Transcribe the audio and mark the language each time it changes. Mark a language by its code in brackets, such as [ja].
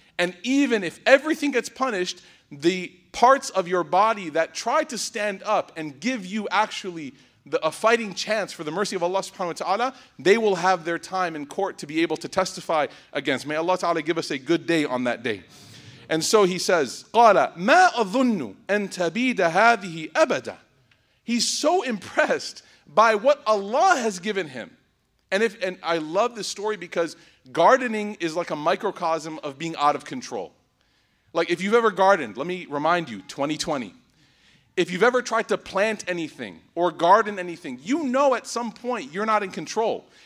[en] And even if everything gets punished, the parts of your body that try to stand up and give you actually a fighting chance for the mercy of Allah subhanahu wa ta'ala, they will have their time in court to be able to testify against. May Allah ta'ala give us a good day on that day. And so he says, [ar] قَالَ مَا أَظُنُّ أَن تَبِيدَ هَذِهِ أَبَدًا. [en] He's so impressed by what Allah has given him. And I love this story because gardening is like a microcosm of being out of control. Like if you've ever gardened, let me remind you, 2020. If you've ever tried to plant anything or garden anything, you know at some point you're not in control.